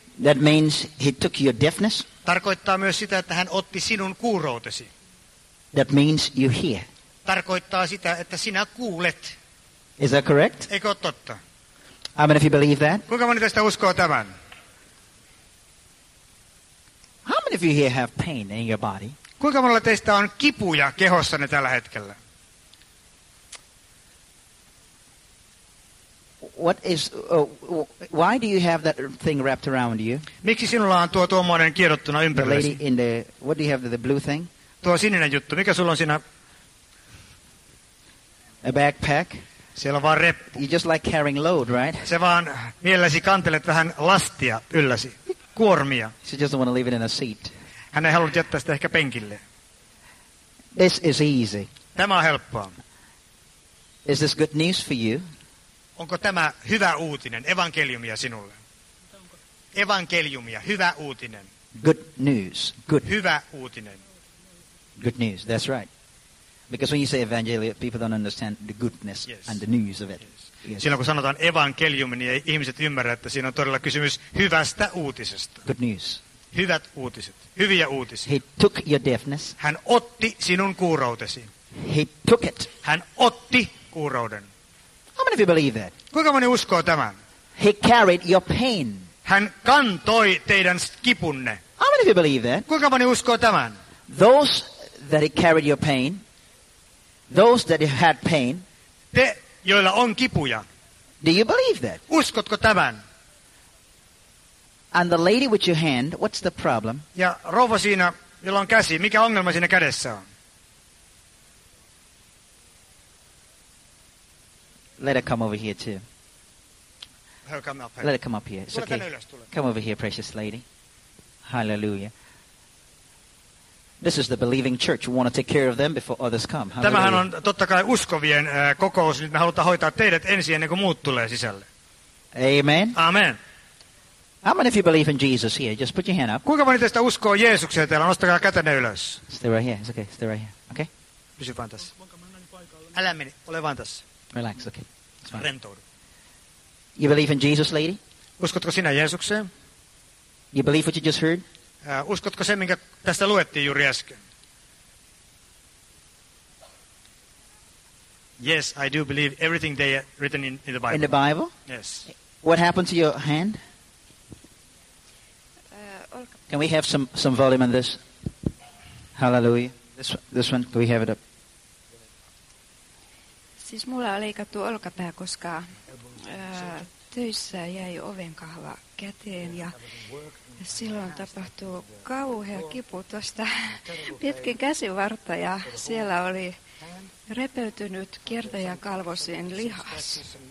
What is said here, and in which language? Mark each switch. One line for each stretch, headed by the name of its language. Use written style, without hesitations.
English: that means he took your deafness.
Finnish: Tarkoittaa myös sitä, että hän otti sinun kuuroutesi.
English: That means you hear.
Finnish: Tarkoittaa sitä, että sinä kuulet.
English: Is that correct?
Finnish: Eikö ole totta?
English: I mean, if you believe that.
Finnish: Kuinka moni teistä uskoo tämän?
English: How many of you here have pain in your body?
Finnish: Kuinka monella teistä on kipuja kehossanne tällä hetkellä?
English: What is why do you have that thing wrapped around you?
Finnish: Miksi sinulla on tuo tuommoinen kiedottuna ympärillesi?
English: The lady in the what do you have the blue thing?
Finnish: Tuo sininen juttu, mikä sulla on siinä?
English: A backpack.
Finnish: Siellä on vaan reppu.
English: You just like carrying load, right?
Finnish: Se vaan mielesi kantelet vähän lastia ylläsi, kuormia.
English: She doesn't want to leave it in a seat.
Finnish: Hän ei halunnut jättää sitä ehkä penkille.
English: This is easy.
Finnish: Tämä on helppoa.
English: Is this good news for you?
Finnish: Onko tämä hyvä uutinen, evankeliumia sinulle? Evankeliumia, hyvä uutinen.
English: Good news. Good.
Finnish: Hyvä uutinen.
English: Good news, that's right. Because when you say evangelia, people don't understand the goodness yes. and the news of it. Yes. Yes.
Finnish: Silloin kun sanotaan evankeliumi, niin ei ihmiset ymmärrä, että siinä on todella kysymys hyvästä uutisesta.
English: Good news.
Finnish: Hyvät uutiset, hyviä uutisia.
English: He took your deafness.
Finnish: Hän otti sinun kuuroutesi.
English: He took it.
Finnish: Hän otti kuurouden.
English: How many of you believe that?
Finnish: Kuinka moni uskoo tämän?
English: He carried your pain.
Finnish: Hän kantoi teidän kipunne.
English: How many of you believe that?
Finnish: Kuinka moni uskoo tämän?
English: Those that he carried your pain, those that had pain.
Finnish: Te, joilla on kipuja.
English: Do you believe that?
Finnish: Uskotko tämän?
English: And the lady with your hand, what's the problem?
Finnish: Ja rouva siinä, jolla on käsi, mikä ongelma siinä kädessä on?
English: Let her come over here too. Her come up here. Let her come up here. It's okay. Come over here, precious lady. Hallelujah. This is the believing church. We want to take care of them before others come. Hallelujah.
Finnish: Tämähän on totta kai uskovien kokous. Nyt me halutaan hoitaa teidät ensin ennen kuin muut tulee sisälle.
English: Amen. Amen. How many of you believe in Jesus here? Just put your hand up.
Finnish: Kuinka moni teistä uskoo Jeesukseen täällä? Nostakaa kätenne ylös.
English: Stay right here. It's okay. Stay right here. Okay?
Finnish: Pysy vaan tässä. Älä meni. Ole vaan tässä.
English: Relax, okay.
Finnish: Rentoudu.
English: You believe in Jesus, lady?
Finnish: Uskotko sinä Jeesukseen?
English: You believe what you just heard?
Finnish: Uskotko sen, minkä tästä luettiin juuri äsken?
English: Yes, I do believe everything they written in the Bible. In the Bible? Yes. What happened to your hand? Can we have some volume on this? Hallelujah. This one, can we have it up?
Finnish: Siis mulla on leikattu olkapää, koska töissä jäi ovenkahva käteen ja silloin tapahtui kauhea kipu tuosta pitkin käsivartta ja siellä oli repeytynyt kiertäjäkalvosin lihas.